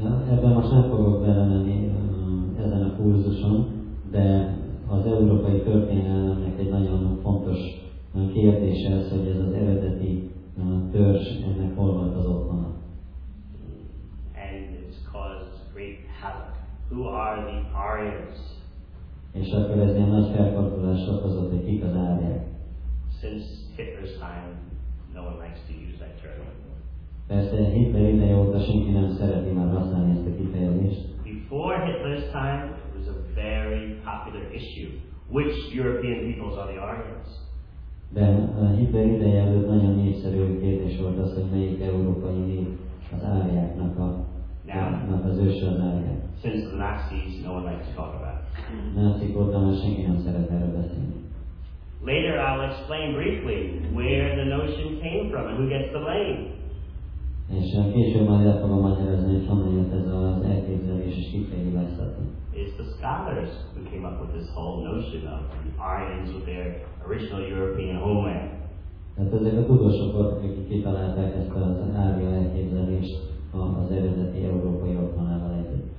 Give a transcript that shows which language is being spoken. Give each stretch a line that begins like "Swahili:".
Hungarian: Ebben most nem fogok belemenni ezen a kurzuson, de az európai történelemnek egy nagyon fontos kérdése az, hogy ez az eredeti törzs ennek hol volt az otthona.
English: And it's caused great havoc. Who are the Aryans?
Hungarian: És akkor ez ilyen nagy felfordulást okozott, hogy kik az Árják.
English: Since Hitler's time, no one likes to use that term.
Hungarian: Persze Hitler ideje óta senki nem szereti már használni ezt a kifejezést.
English: Before Hitler's time, it was a very popular issue. Which European peoples are the Aryans?
Hungarian: De a Hitler ideje előtt nagyon népszerű kérdés volt az, hogy melyik európai nép az Árjáknak az őse az Árják.
English: Since the Nazis, no one likes to talk about.
Hungarian: Nácik óta már senki nem szeret erről beszélni.
English: Later I'll explain briefly where the notion came from and who gets the blame.
Hungarian: És később majd el fogom magyarázni, hogy honnan jött ez az elképzelés és kifejezni hibáztatni.
English: It's the scholars who came up with this whole notion of the Aryans with their original European homeland.
Hungarian: Tehát ezek a tudósok voltak, akik kitalálták ezt az árja elképzelést az eredeti európai otthonával együtt.